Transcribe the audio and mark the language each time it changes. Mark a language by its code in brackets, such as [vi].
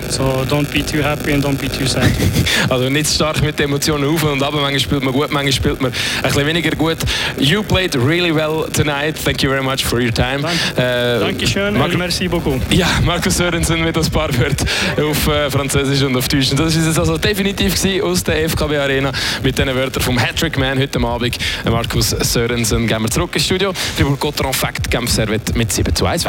[en] So don't be too happy and don't be too sad. [de] Also nicht stark mit Emotionen auf und ab. Manchmal spielt man gut, manchmal spielt man ein bisschen weniger gut. [en] You played really well tonight. Thank you very much for your time. [de] Dankeschön und [fr] merci beaucoup. [de] Ja, Marcus Sørensen mit ein paar Wörtern auf Französisch und auf Deutsch. Das war es also definitiv aus der FKB Arena mit den Wörtern vom Hattrick-Man heute Abend. Marcus Sørensen, gehen wir zurück ins Studio. Fribourg Gotteron Fact, Genf Servette mit 7:1 weg.